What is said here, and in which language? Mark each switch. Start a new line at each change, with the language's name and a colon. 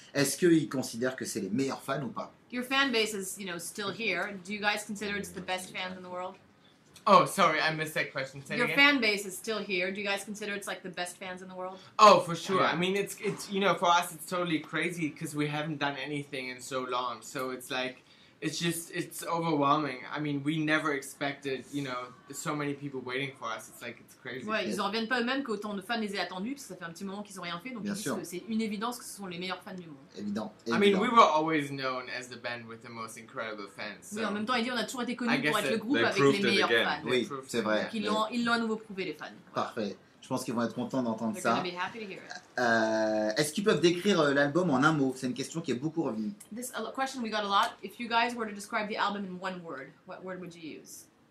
French: Est-ce qu'ils considèrent que c'est les meilleurs fans ou pas?
English: Your fan base is, you know, still here. Do you guys consider it's the best fans in the world? Oh, sorry, I missed that question. Say your fan base is still here. Do you guys consider it's like the best fans in the world? Oh, for sure. Yeah. I mean, it's you know, for us, it's totally crazy because we haven't done anything in so long. So it's like, it's overwhelming. I mean, we never expected, you know, so many people waiting for us. It's like, it's crazy.
French: Ouais, ils en reviennent pas eux-mêmes qu'autant de fans les aient attendus parce que ça fait un petit moment qu'ils ont rien fait. Donc, sûr. Disent que c'est une évidence que ce sont les meilleurs fans du monde. Évident.
English: I mean, we were always known as the band with the most incredible fans. So
French: oui, en même temps, il dit, on a toujours été connus pour être le groupe avec les meilleurs fans. Oui, c'est vrai. Donc, ils l'ont à nouveau prouvé, les fans. Voilà. Parfait. Je pense qu'ils vont être contents d'entendre ça.
English: They're gonna be happy to hear it.
French: Est-ce qu'ils peuvent décrire l'album en un mot? C'est une question qui est beaucoup revenue.
English: This question we got a lot. If you guys were to describe the album in one word, what word would you use?